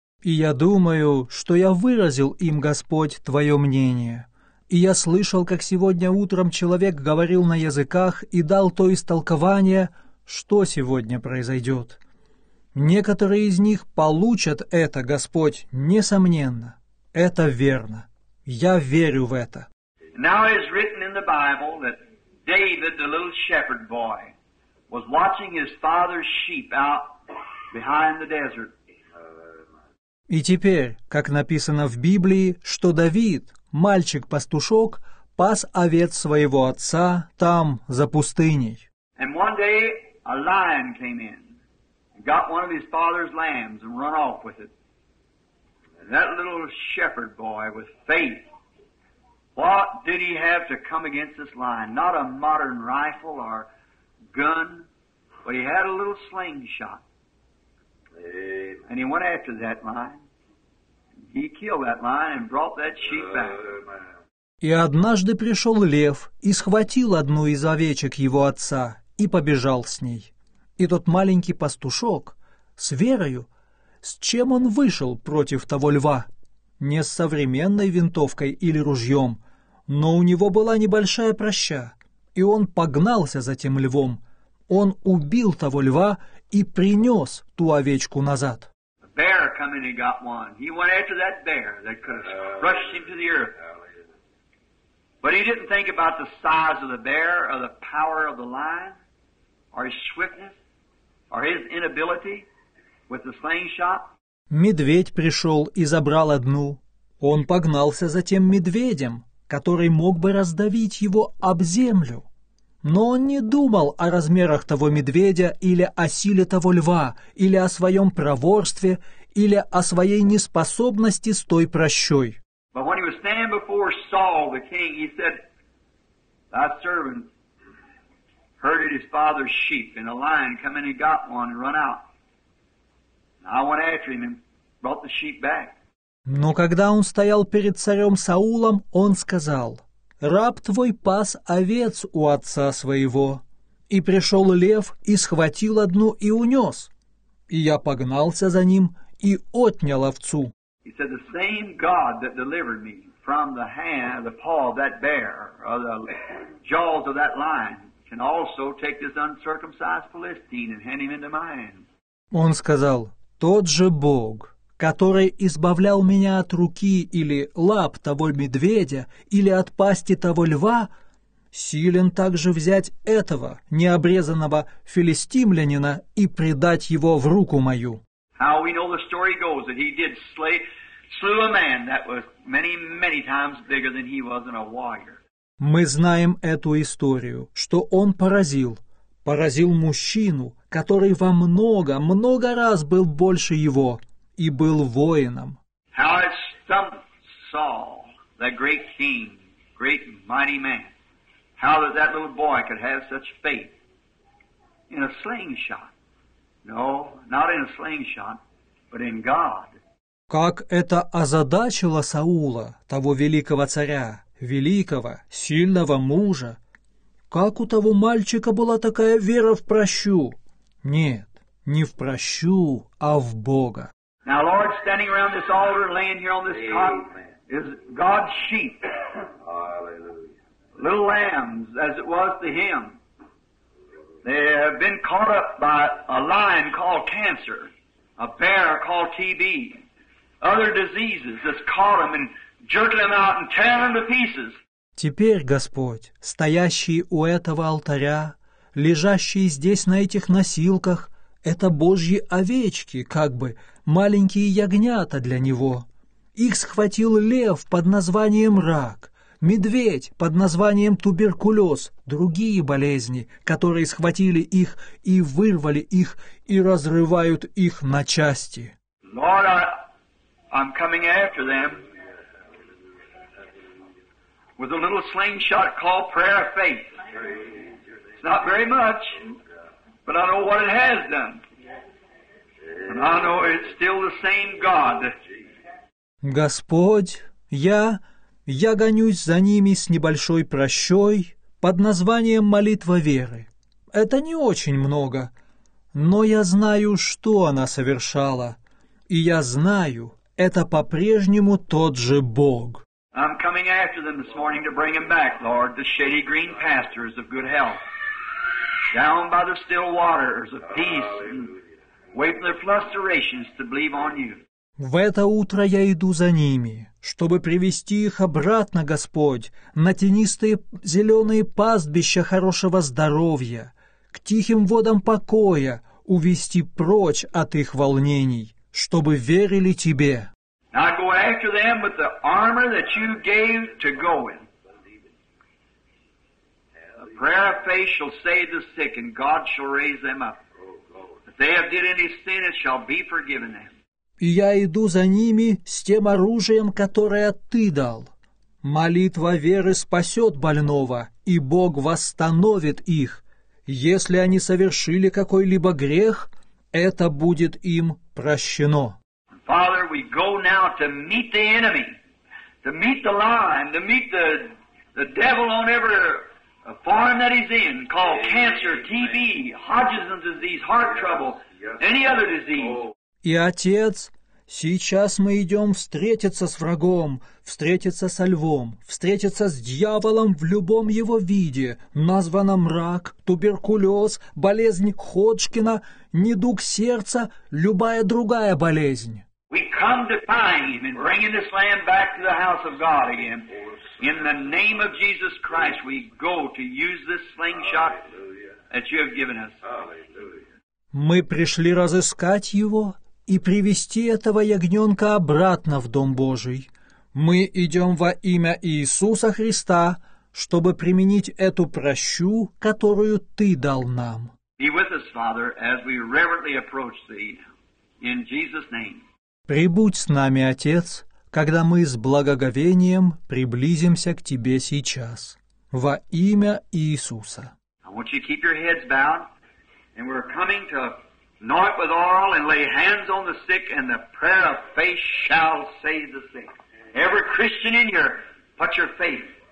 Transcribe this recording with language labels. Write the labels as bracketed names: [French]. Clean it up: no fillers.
[Russian] И я думаю, что я выразил им, Господь, Твое мнение. И я слышал, как сегодня утром человек говорил на языках и дал то истолкование, что сегодня произойдет. Некоторые из них получат это, Господь, несомненно. Это верно. Я верю в это. [English] Now it is written in the Bible that David, the little shepherd boy, was watching his father's sheep out behind the desert. [Russian] И теперь, как написано в Библии, что Давид, мальчик-пастушок, пас овец своего отца там, за пустыней. [English] And one day a lion came in, got one of his father's lambs and run off with it. And that little shepherd boy with faith, what did he have to come against this lion? Not a modern rifle or gun, but he had a little slingshot. And he went after that lion. He killed that lion and brought that sheep back. [Russian] И однажды пришел лев и схватил одну из овечек его отца и побежал с ней. И тот маленький пастушок с верою, с чем он вышел против того льва? Не с современной винтовкой или ружьем, но у него была небольшая проща, и он погнался за тем львом. Он убил того льва и принес ту овечку назад. [English] Bear come in and got one. He went after that bear that could have crushed him to the earth. But he didn't think about the size of the bear or the power of the lion or his swiftness or his inability with the slingshot. [Russian] Медведь пришел и забрал одну. Он погнался за тем медведем, который мог бы раздавить его об землю. Но он не думал о размерах того медведя или о силе того льва, или о своем проворстве, или о своей неспособности с той прощой. [English] But when he was standing before Saul, the king, he said, "Thy servant herded his father's sheep, and a lion come in and got one and run out. And I went after him and brought the sheep back." [Russian] Но когда он стоял перед царем Саулом, он сказал: «Раб твой пас овец у отца своего, и пришел лев и схватил одну и унес. И я погнался за ним и отнял овцу. [English] He said, the same God that delivered me from the hand, the paw of that bear, or the jaws of that lion, can also take this uncircumcised Philistine and hand him into my hands. [Russian] Он сказал, тот же Бог, который избавлял меня от руки или лап того медведя или от пасти того льва, силен также взять этого необрезанного филистимлянина и предать его в руку мою. [English] How we know the story goes that he did slew a man that was many times bigger than he was in a warrior. [Russian] Мы знаем эту историю, что он поразил мужчину, который во много раз был больше его и был воином. [English] How it stumped Saul, the great king, great mighty man. How that little boy could have such faith in a slingshot. No, not in a slingshot, but in God. [Russian] Как это озадачило Саула, того великого царя, великого, сильного мужа? Как у того мальчика была такая вера в пращу? Нет, не в пращу, а в Бога. [English] Now, Lord, standing around this altar, laying here on this cot, is God's sheep. Hallelujah. Little lambs, as it was to him. They have been caught up by a lion called cancer, a bear called TB, other diseases that's caught them and jerked them out and tearing them to pieces. [Russian] Теперь, Господь, стоящий у этого алтаря, лежащий здесь на этих носилках, это Божьи овечки, как бы маленькие ягнята для него. Их схватил лев под названием рак, медведь под названием туберкулез, другие болезни, которые схватили их и вырвали их и разрывают их на части. [English] Lord, I'm coming after them. With a little slingshot called prayer of faith. It's not very much, but I know what it has done. And I know it's still the same God. [Russian] Господь, я гонюсь за ними с небольшой пращой под названием молитва веры. Это не очень много, но я знаю, что она совершала. И я знаю, это по-прежнему тот же Бог. [English] I'm coming after them this morning to bring them back, Lord, the shady green pastures of good health, down by the still waters of peace, and waiting their frustrations to believe on you. [Russian] В это утро я иду за ними, чтобы привести их обратно, Господь, на тенистые зеленые пастбища хорошего здоровья, к тихим водам покоя, увести прочь от их волнений, чтобы верили Тебе. [English] Now go after them with the armor that you gave to go in. The prayer of faith shall save the sick, and God shall raise them up. If they have did any sin, it shall be forgiven them. [Russian] И я иду за ними с тем оружием, которое Ты дал. Молитва веры спасет больного, и Бог восстановит их. Если они совершили какой-либо грех, это будет им прощено. [English] Father, we go now to meet the enemy, to meet the lion, to meet the devil on every farm that he's in, called cancer, TB, Hodgson's disease, heart trouble, any other disease. [Russian] И отец, сейчас мы идем встретиться с врагом, встретиться со львом, встретиться с дьяволом в любом его виде, названном рак, туберкулез, болезнь Ходжкина, недуг сердца, любая другая болезнь. [English] We come to find him and bring this lamb back to the house of God again. In the name of Jesus Christ, we go to use this slingshot that you have given us. [Russian] Мы пришли разыскать его и привести этого ягненка обратно в дом Божий. Мы идем во имя Иисуса Христа, чтобы применить эту пращу, которую Ты дал нам. [English] Be with us, Father, as we reverently approach Thee in Jesus' name. [Russian] Прибудь с нами, Отец, когда мы с благоговением приблизимся к Тебе сейчас. Во имя Иисуса. [English] I want you to keep your heads bowed, and we're coming to anoint with oil and lay hands on the sick, and the prayer of faith shall save the sick. Every Christian in here, put your faith.